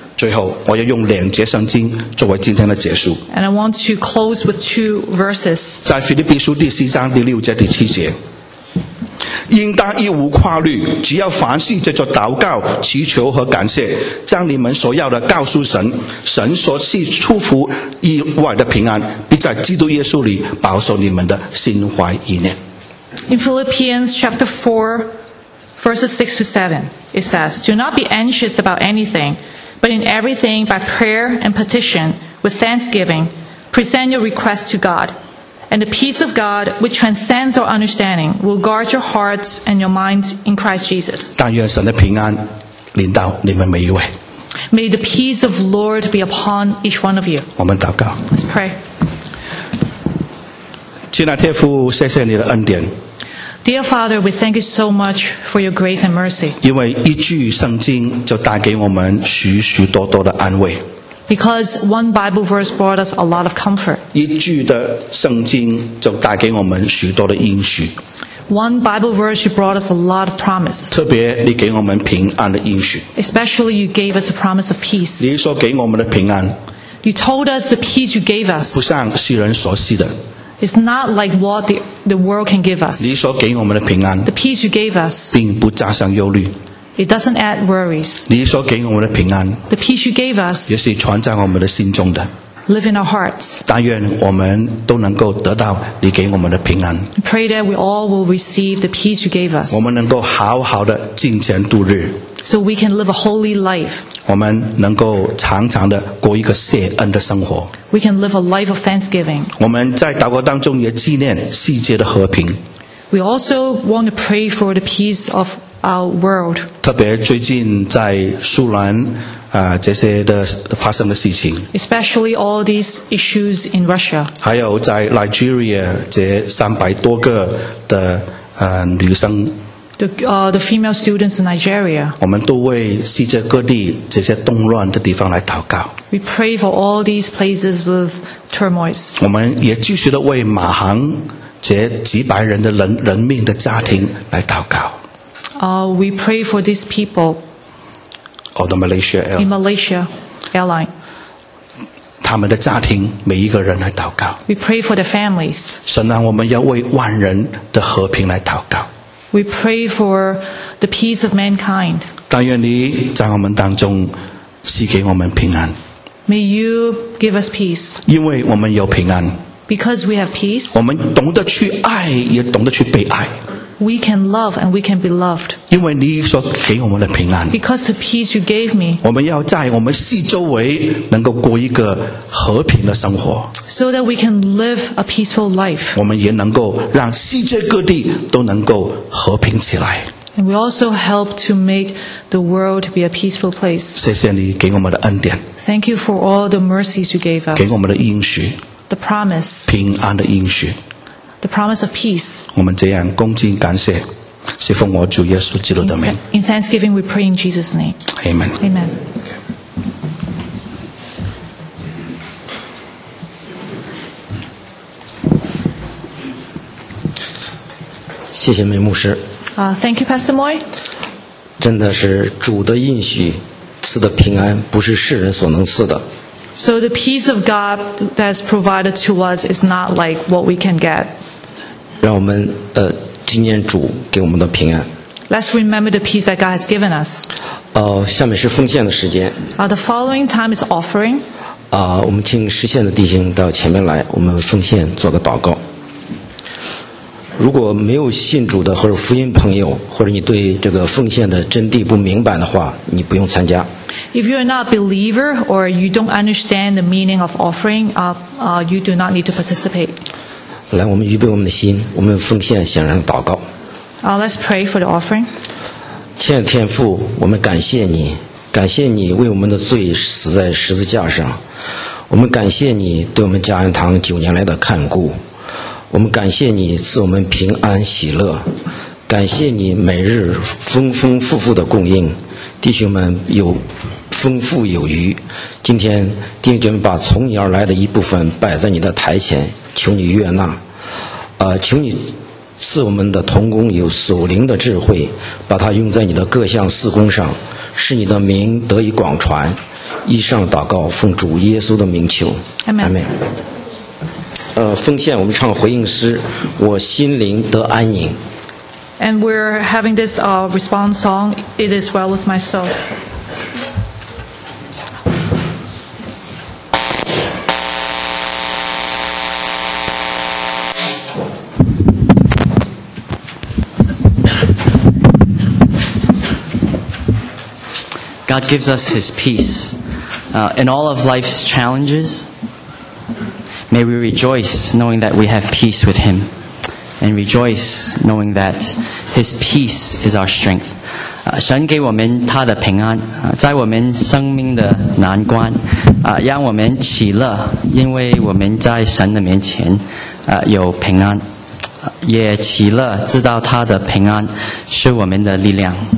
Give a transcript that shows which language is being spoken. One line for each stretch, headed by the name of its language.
Chinese: 最后，我要用两节圣经作为今天的结束。
English: And I want to close with two verses.
Chinese: 在腓立比书第四章第六节第七节，应当一无挂虑，只要凡事借着祷告、祈求和感谢，将你们所要的告诉神，神所赐出乎意外的平安，必在基督耶稣里保守你们的心怀意念。
English: In Philippians chapter 4, verses 6 to 7, it says, Do not be anxious about anything, but in everything by prayer and petition, with thanksgiving, present your requests to God. And the peace of God, which transcends our understanding, will guard your hearts and your minds in Christ Jesus.
Chinese: 但愿神的平安临到你们每一位。
English: May the peace of the Lord be upon each one of you.
Chinese: 我们祷告。
English: Let's pray.
Chinese: 亲爱的天父，谢谢你的恩典。
English: Dear Father, we thank you so much for your grace and mercy.
Chinese: 因为一句圣经就带给我们许许多多的安慰。
English: Because one Bible verse brought us a lot of comfort.
Chinese: 一句的圣经就带给我们许多的应许。
English: One Bible verse brought us a lot of promises.
Chinese: 特别你给我们平安的应许。
English: Especially you gave us a promise of peace.
Chinese: 你说给我们的平安。
English: You told us the peace you gave us.
Chinese: 不像世人所惜的。
English: It's not like what the world can give us.
Chinese: 你所给我们的平安。
English: The peace you gave us.
Chinese: 并不加上忧虑。
English: It doesn't add worries.
Chinese: 你所给我们的平安。
English: The peace you gave us.
Chinese: 也是存在我们的心中的。
English: Live in our hearts.
Chinese: 但愿我们都能够得到你给我们的平安。
English: Pray that we all will receive the peace you gave us.
Chinese: 我们能够好好的敬虔度日。
English: So we can live a holy life.
Chinese: 我们能够常常的过一个谢恩的生活。
English: We can live a life of thanksgiving.
Chinese: 我们在祷告当中也纪念世界的和平。
English: We also want to pray for the peace of our world.
Chinese: 特别最近在苏兰这些的发生的事情。
English: Especially all these issues in Russia.
Chinese: 还有在 Nigeria 这300多个的女生。
English: The female students in Nigeria.
Chinese: 我们都为世界各地这些动乱的地方来祷告。
English: We pray for all these places with turmoil.
Chinese: 我们也继续的为马航这几百人的人命的家庭来祷告。
English: We pray for these people. Or the Malaysia Airline. In Malaysia Airline.
Chinese: 他们的家庭每一个人来祷告。
English: We pray for their families.
Chinese: 神啊，我们要为万人的和平来祷告。
English: We pray for the peace of mankind.
Chinese: 但愿你在我们当中赐给我们平安。
English: May you give us peace.
Chinese: 因为我们有平安。
English: Because we have peace.
Chinese: 我们懂得去爱，也懂得去被爱。
English: We can love and we can be loved.
Chinese: 因为你所给我们的平安。
English: Because the peace you gave me.
Chinese: 我们要在我们四周围能够过一个和平的生活。
English: So that we can live a peaceful life.
Chinese: 我们也能够让世界各地都能够和平起来。
English: And we also help to make the world be a peaceful place.
Chinese: 谢谢你给我们的恩典。
English: Thank you for all the mercies you gave us.
Chinese: 给我们的应许。
English: The promise.
Chinese: 平安的应许。
English: The promise of peace.
Chinese: 我们这样恭敬感谢，是奉我主耶稣基督的名。
English: In thanksgiving, we pray in Jesus' name. Amen. Amen. Thank you,
Chinese: 美牧师。
English: Thank you, Pastor Moy.
Chinese: 真的是主的应许，赐的平安不是世人所能赐的。
English: So the peace of God that's provided to us is not like what we can get.
Chinese: 让我们纪念主给我们的平安。
English: Let's remember the peace that God has given us.
Chinese: 下面是奉献的时间。
English: The following time is offering.
Chinese: 我们请实现的弟兄到前面来，我们奉献做个祷告。如果没有信主的或者福音朋友，或者你对这个奉献的真谛不明白的话，你不用参加。
English: If you are not a believer or you don't understand the meaning of offering, you do not need to participate.
Chinese: 来，我们预备我们的心，我们奉献献上祷告。
English: Let's pray for the offering.
Chinese: 亲爱的天父，我们感谢你，感谢你为我们的罪死在十字架上，我们感谢你对我们家人堂九年来的看顾。我们感谢你赐我们平安喜乐，感谢你每日丰丰富富的供应，弟兄们有丰富有余。今天弟兄们把从你而来的一部分摆在你的台前，求你悦纳。求你赐我们的同工有属灵的智慧，把它用在你的各项事工上，使你的名得以广传。以上祷告奉主耶稣的名求，
English: Amen, Amen.
Chinese: 奉献我们唱回应诗，我心灵得安宁。
English: And we're having this response song, It Is Well With My Soul. God gives us His peace, in all of life's challenges. May we rejoice knowing that we have peace with Him, and rejoice knowing that His peace is our strength.
Chinese: 神给我们他的平安，在我们生命的难关，让我们喜乐，因为我们在神的面前有平安，也喜乐知道他的平安是我们的力量。